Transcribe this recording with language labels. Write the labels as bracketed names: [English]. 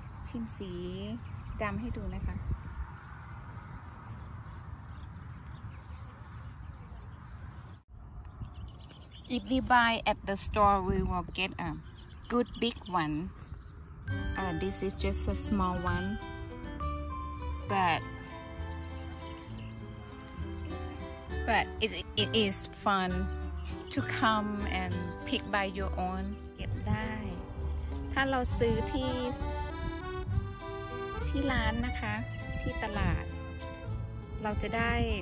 [Thai] ชิมสีดำให้ดูนะคะ [English] If we buy at the store, we will get a good big one. This is just a small one, but it is fun to come and pick by your own [Thai] เก็บได้ถ้าเราซื้อที่ร้านนะคะที่ตลาดเราจะได้